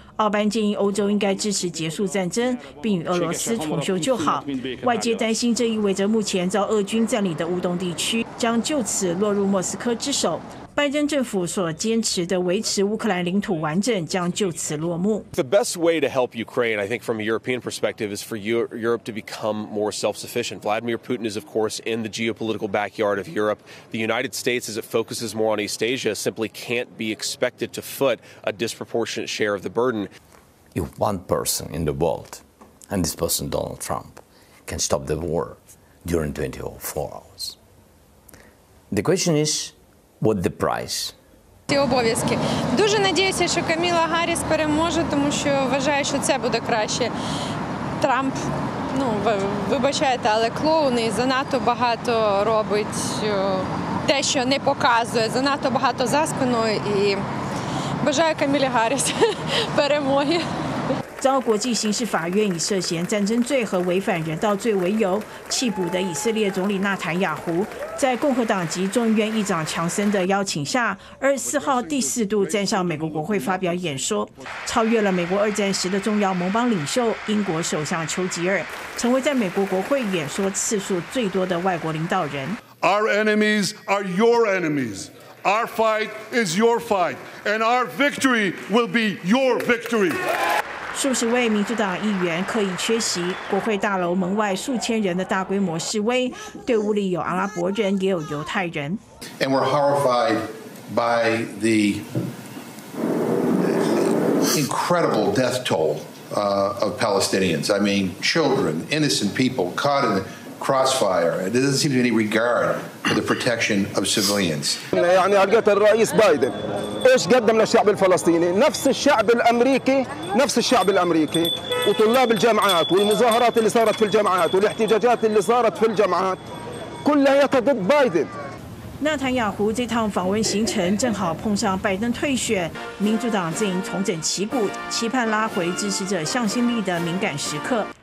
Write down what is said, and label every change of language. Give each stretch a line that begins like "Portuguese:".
Chinese: 奥班建议欧洲应该支持结束战争，并与俄罗斯重修旧好。外界担心这意味着目前遭俄军占领的乌东地区将就此落入莫斯科之手，拜登政府所坚持的维持乌克兰领土完整将就此落幕。
English: The best way to help Ukraine, I think, from a European perspective, is for Europe to become more self-sufficient. Vladimir Putin is, of course, in the geopolitical backyard of Europe. The United States, as it focuses more on East Asia, simply can't be expected to foot a disproportionate share of the burden. If one person in the world, and this person Donald Trump, can stop the war during 24 hours, the question is. What the price?
Ukrainian: Ці обов'язки. Дуже надіюся, що Каміла Гарріс переможе, тому що вважаю, що це буде краще. Трамп, ну, вибачайте, але клоун і занадто багато робить те, що не показує, занадто багато за спиною і бажаю Камілі Гарріс перемоги.
Chinese: 遭国际刑事法院以涉嫌战争罪和违反人道罪为由弃捕的以色列总理纳坦雅胡，在共和党籍众议院议长强森的邀请下，24号第四度站上美国国会发表演说，超越了美国二战时的重要盟邦领袖英国首相丘吉尔，成为在美国国会演说次数最多的外国领导人。
English: Our enemies are your enemies. Our fight is your fight, and our victory will be your victory.
Chinese: 数十位民主党议员刻意缺席，国会大楼门外数千人的大规模示威，队伍里有阿拉伯人，也有犹太人。
English: And we're horrified by the incredible death toll of Palestinians. I mean, children, innocent people caught in crossfire. There doesn't seem to be any regard for the protection of civilians.
Arabic: يعني ألقيت الرئيس بايدن. ايش قدم للشعب الفلسطيني نفس الشعب الامريكي نفس الشعب الامريكي وطلاب الجامعات والمظاهرات اللي صارت في الجامعات والاحتجاجات اللي صارت في الجامعات كلها ضد بايدن
Chinese: 纳坦雅胡这趟访问行程正好碰上拜登退选，民主党阵营重整旗鼓，期盼拉回支持者向心力的敏感时刻。